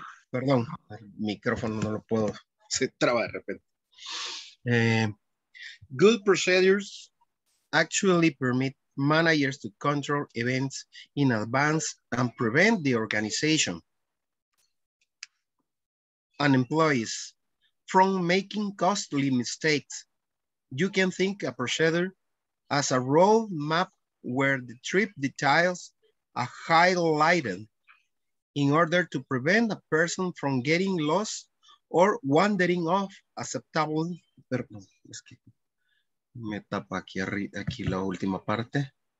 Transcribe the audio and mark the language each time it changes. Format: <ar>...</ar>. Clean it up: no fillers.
<es>Perdón, el micrófono no lo puedo, se traba de repente.</es> <en>Good procedures actually permit managers to control events in advance and prevent the organization and employees from making costly mistakes. You can think a procedure as a road map where the trip details are highlighted in order to prevent a person from getting lost or wandering off acceptable.</en> <es>Perdón, es que me tapa aquí arriba, aquí la última parte.</es>